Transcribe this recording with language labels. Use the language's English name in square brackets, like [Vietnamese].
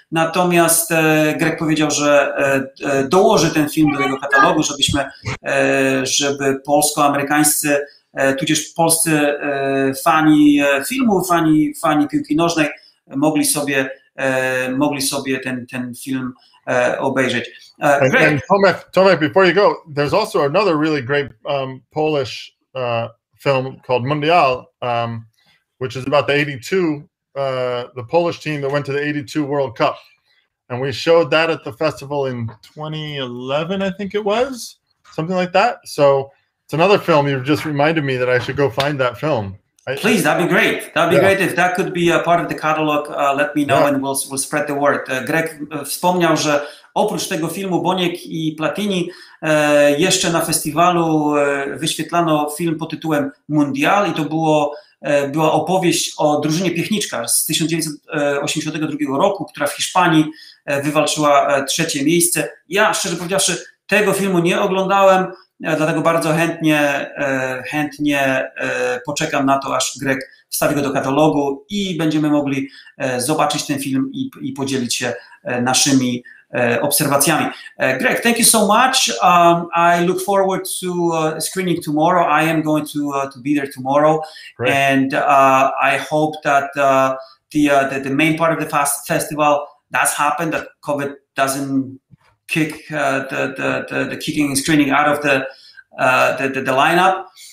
[Polish] Natomiast Greg powiedział, że dołoży ten film do jego katalogu, żeby polsko-amerykańscy, tudzież polscy fani filmu, fani piłki nożnej mogli sobie ten film obejrzeć. [English] And Tomek, before you go, there's also another really great Polish film called Mundial, which is about the 82, the Polish team that went to the 82 World Cup. And we showed that at the festival in 2011, I think it was, something like that. So it's another film. You've just reminded me that I should go find that film. Please, that'd be great. That'd be great if that could be a part of the catalog. Let me know and we'll spread the word. [Polish] Greg wspomniał, że oprócz tego filmu Boniek i Platini jeszcze na festiwalu wyświetlano film pod tytułem Mundial i to była opowieść o drużynie Piechniczka z 1982 roku, która w Hiszpanii wywalczyła trzecie miejsce. Ja, szczerze powiedziawszy, tego filmu nie oglądałem, dlatego bardzo chętnie poczekam na to, aż Greg wstawi go do katalogu i będziemy mogli zobaczyć ten film i podzielić się naszymi obserwacjami. [English] Greg, thank you so much. I look forward to screening tomorrow. I am going to be there tomorrow. Great. And I hope that the main part of the festival does happen, that COVID doesn't kick the kicking and screening out of the lineup.